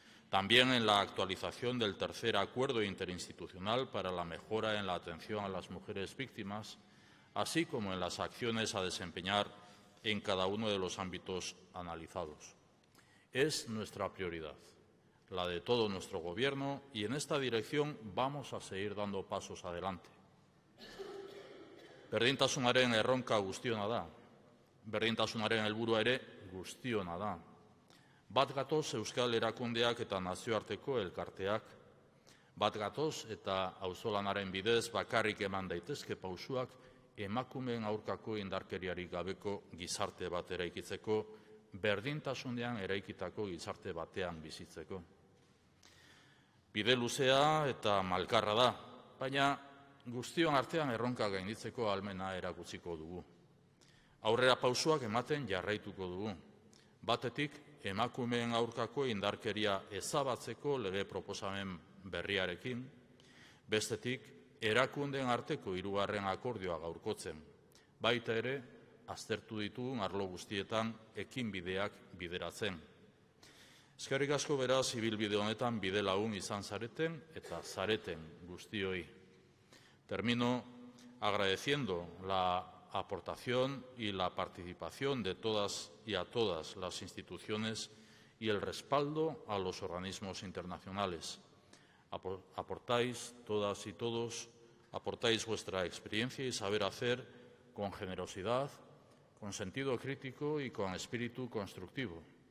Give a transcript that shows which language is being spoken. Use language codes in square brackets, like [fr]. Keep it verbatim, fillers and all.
[es] También en la actualización del tercer acuerdo interinstitucional para la mejora en la atención a las mujeres víctimas, así como en las acciones a desempeñar en cada uno de los ámbitos analizados. Es nuestra prioridad, la de todo nuestro Gobierno, y en esta dirección vamos a seguir dando pasos adelante. [eu] Berdintasunaren erronka guztiona da, berdintasunaren helburua ere guztiona da. Bat gatoz Euskal Erakundeak eta nazioarteko elkarteak, bat gatoz eta auzolanaren bidez bakarrik eman daitezke pausuak emakumeen aurkako indarkeriarik gabeko gizarte bat eraikitzeko, berdintasunean eraikitako gizarte batean bizitzeko. Bide luzea eta malkarra da, baina guztion artean erronka gainditzeko ahalmena erakutsiko dugu. Aurrera pausuak ematen jarraituko dugu. Batetik, emakumeen aurkako indarkeria ezabatzeko lege proposamen berriarekin, bestetik, erakundeen arteko hirugarren akordioa gaurkotzen, baita ere, aztertu ditu arlo guztietan ekinbideak bideratzen. Eskerrik asko beraz ibilbide honetan bide lagun izan zareten eta zareten guztioi. [es] Termino agradeciendo la aportación y la participación de todas y a todas las instituciones y el respaldo a los organismos internacionales. Aportáis todas y todos, aportáis vuestra experiencia y saber hacer con generosidad, con sentido crítico y con espíritu constructivo.